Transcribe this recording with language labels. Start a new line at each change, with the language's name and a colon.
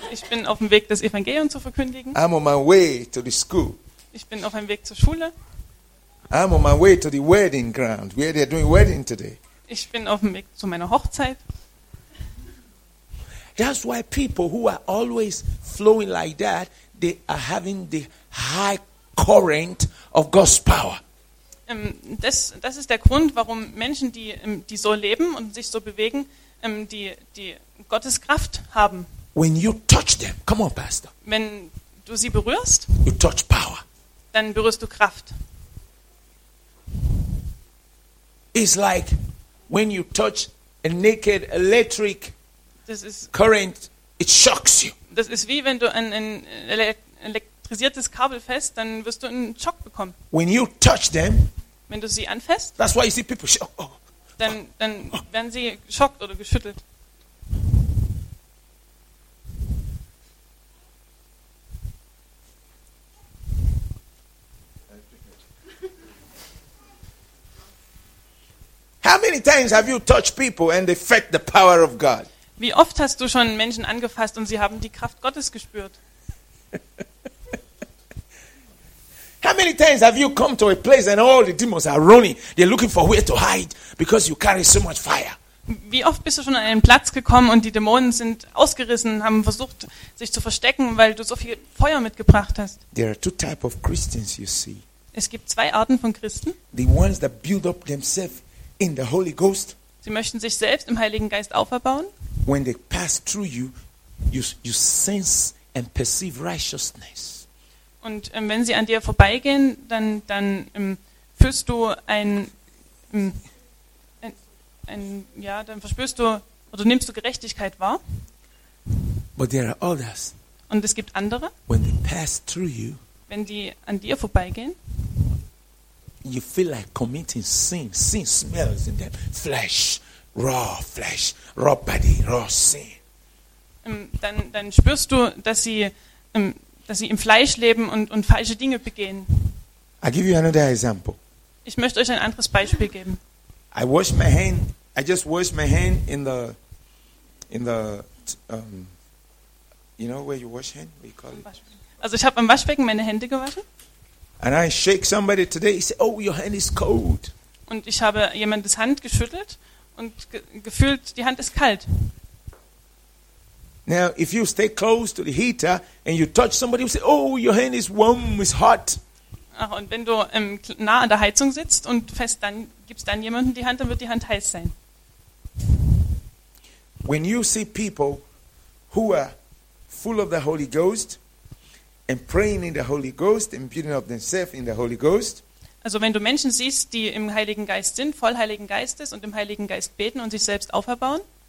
German: Ich bin auf dem Weg, das Evangelium zu verkündigen.
English: I'm on my way to the school.
German: Ich bin auf dem Weg zur Schule.
English: I'm on my way to the wedding ground, where they're doing wedding today.
German: Ich bin auf dem Weg zu meiner Hochzeit.
English: That's why people who are always flowing like that. They are having the high current of God's power.
German: Das ist der Grund, warum Menschen, die so leben und sich so bewegen, die Gottes Kraft haben.
English: When you touch them, come on, Pastor.
German: Wenn du sie berührst,
English: you touch power.
German: Dann berührst du Kraft.
English: It's like when you touch a naked electric current, it shocks you.
German: Das ist wie wenn du ein elektrisiertes Kabel fest, dann wirst du einen Schock bekommen.
English: When you touch them,
German: wenn du sie anfasst,
English: that's why you see people shock.
German: Dann werden sie geschockt oder geschüttelt.
English: How many times have you touched people and they felt the power of God?
German: Wie oft hast du schon Menschen angefasst und sie haben die Kraft Gottes gespürt?
English: How many times have you come to a place and all the demons are running? They're looking for where to hide because you carry so much fire.
German: Wie oft bist du schon an einen Platz gekommen und die Dämonen sind ausgerissen, haben versucht sich zu verstecken, weil du so viel Feuer mitgebracht hast?
English: There are two types of Christians, you see.
German: Es gibt zwei Arten von Christen.
English: The ones that build up themselves in the Holy Ghost.
German: Sie möchten sich selbst im Heiligen Geist auferbauen.
English: When they pass through you, you sense and perceive righteousness.
German: Und wenn sie an dir vorbeigehen, dann fühlst du ein dann verspürst du oder nimmst du Gerechtigkeit wahr.
English: But there are others.
German: Und es gibt andere.
English: When they pass through you,
German: wenn die an dir vorbeigehen,
English: you feel like committing sin. Sin smells in them. Flesh, raw body, raw sin.
German: Dann spürst du, dass sie im Fleisch leben und falsche Dinge begehen.
English: I give you another example.
German: Ich möchte euch ein anderes Beispiel geben.
English: I wash my hand. I just wash my hand in the where you wash hand. What you call it?
German: Also ich habe am Waschbecken meine Hände gewaschen.
English: And I shake somebody today. He said, "Oh, your hand is cold."
German: Und ich habe jemandes Hand geschüttelt und gefühlt, die Hand ist kalt.
English: Now, if you stay close to the heater and you touch somebody, you say, "Oh, your hand is warm. It's hot."
German: Ach, und wenn du nah an der Heizung sitzt und fest, dann gibst dann jemanden die Hand, dann wird die Hand heiß sein.
English: When you see people who are full of the Holy Ghost and praying in the Holy Ghost and building up themselves in the Holy Ghost.
German: Also wenn du Menschen siehst, die im Heiligen Geist sind, voll Heiligen Geistes und im Heiligen Geist beten und sich selbst auferbauen.